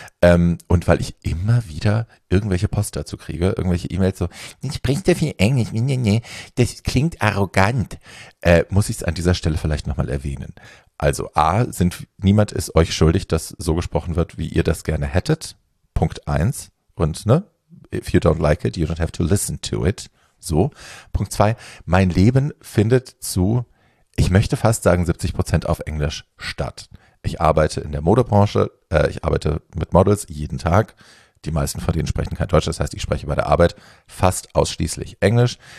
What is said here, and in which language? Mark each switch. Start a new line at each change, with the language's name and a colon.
German: Und weil ich immer wieder irgendwelche Post dazu kriege, irgendwelche E-Mails so, sprichst du viel Englisch? Nee, nee, nee. Das klingt arrogant. Muss ich es an dieser Stelle vielleicht nochmal erwähnen. Also A, niemand ist euch schuldig, dass so gesprochen wird, wie ihr das gerne hättet. Punkt 1. Und ne,
English: if you don't like it, you don't have to listen to it.
German: So. Punkt 2, mein Leben findet zu, ich möchte fast sagen, 70% auf Englisch statt. Ich arbeite in der Modebranche, ich arbeite mit Models jeden Tag. Die meisten von denen sprechen kein Deutsch, das heißt, ich spreche bei der Arbeit fast ausschließlich Englisch.